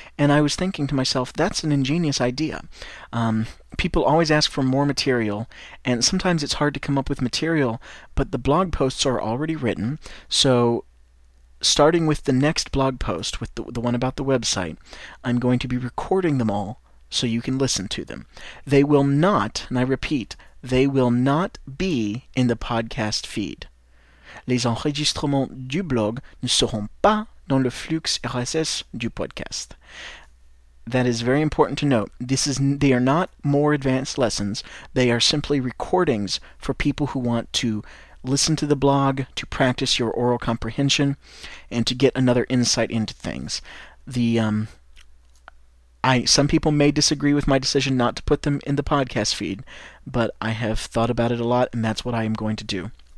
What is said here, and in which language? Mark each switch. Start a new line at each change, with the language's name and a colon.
English: And I was thinking to myself, that's an ingenious idea. People always ask for more material, and sometimes it's hard to come up with material, but the blog posts are already written, so starting with the next blog post, with the one about the website, I'm going to be recording them all so you can listen to them. They will not, and I repeat, they will not be in the podcast feed.
French: Les enregistrements du blog ne seront pas dans le flux RSS du podcast.
English: That is very important to note. They are not more advanced lessons. They are simply recordings for people who want to listen to the blog, to practice your oral comprehension, and to get another insight into things. Some people may disagree with my decision not to put them in the podcast feed, but I have thought about it a lot, and that's what I am going to do.